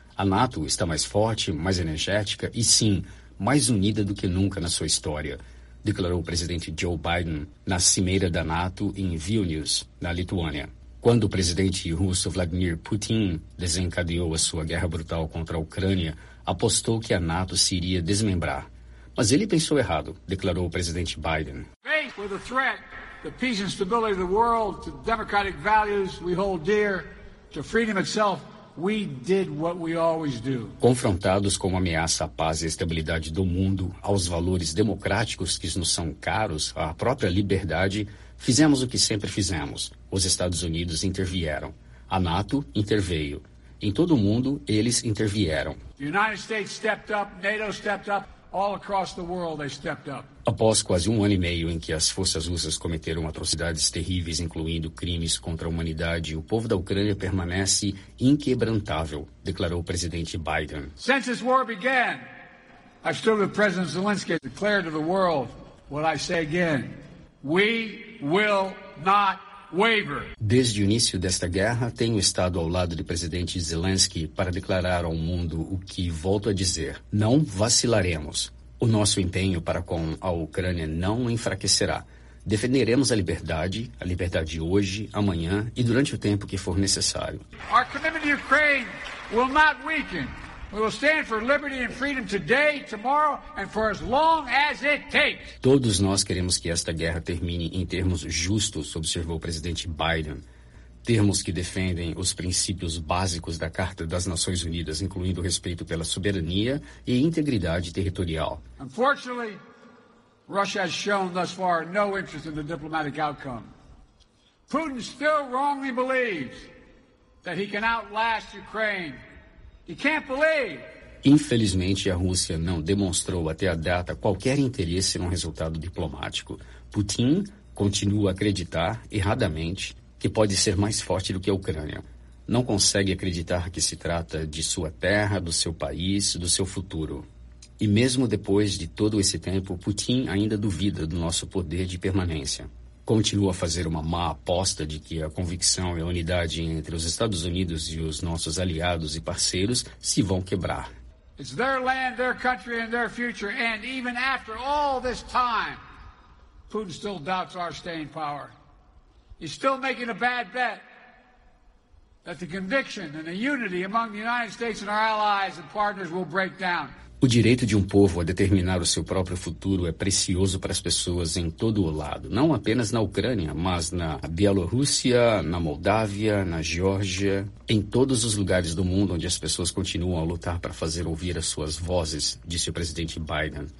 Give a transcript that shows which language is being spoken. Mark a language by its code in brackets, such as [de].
[pt] A NATO está mais forte, mais energética e, sim, mais unida do que nunca na sua história, declarou o presidente Joe Biden na cimeira da NATO em Vilnius, na Lituânia. Quando o presidente russo Vladimir Putin desencadeou a sua guerra brutal contra a Ucrânia, apostou que a NATO se iria desmembrar. Mas ele pensou errado, declarou o presidente Biden. [en] Faced with the threat, the peace and stability of the world, to democratic values we hold dear, to freedom itself, we did what we always do. [pt] Confrontados com uma ameaça à paz e à estabilidade do mundo, aos valores democráticos que nos são caros, à própria liberdade, fizemos o que sempre fizemos. Os Estados Unidos intervieram. A NATO interveio. Em todo o mundo, eles intervieram. [en] The United States stepped up, NATO stepped up, all across the world they stepped up. [pt] Após quase um ano e meio em que as forças russas cometeram atrocidades terríveis, incluindo crimes contra a humanidade, o povo da Ucrânia permanece inquebrantável, declarou o presidente Biden. [en] Since this war began, I've stood with President Zelensky to declare to the world what I say again. We will not waver. [pt] Desde o início desta guerra, tenho estado ao lado de presidente Zelensky para declarar ao mundo o que volto a dizer. Não vacilaremos. O nosso empenho para com a Ucrânia não enfraquecerá. Defenderemos a liberdade hoje, amanhã e durante o tempo que for necessário. [en] Our commitment to Ukraine will not weaken. We will stand for liberty and freedom today, tomorrow, and for as long as it takes. [pt] Todos nós queremos que esta guerra termine em termos justos, observou o presidente Biden. Termos que defendem os princípios básicos da Carta das Nações Unidas, incluindo respeito pela soberania e integridade territorial. [en] Unfortunately, Russia has shown thus far no interest in the diplomatic outcome. Putin still wrongly believes that he can outlast Ukraine. [pt] Infelizmente, a Rússia não demonstrou até a data qualquer interesse num resultado diplomático. Putin continua a acreditar, erradamente, que pode ser mais forte do que a Ucrânia. Não consegue acreditar que se trata de sua terra, do seu país, do seu futuro. E mesmo depois de todo esse tempo, Putin ainda duvida do nosso poder de permanência. Continua a fazer uma má aposta de que a convicção e a unidade entre os Estados Unidos e os nossos aliados e parceiros se vão quebrar. [en] It's their land, their country and their future. And even after all this time, Putin still doubts our staying power. He's still making a bad bet that the conviction and the unity among the United States and our allies and partners will break down. [pt] O direito de um povo a determinar o seu próprio futuro é precioso para as pessoas em todo o lado, não apenas na Ucrânia, mas na Bielorrússia, na Moldávia, na Geórgia, em todos os lugares do mundo onde as pessoas continuam a lutar para fazer ouvir as suas vozes, disse o presidente Biden.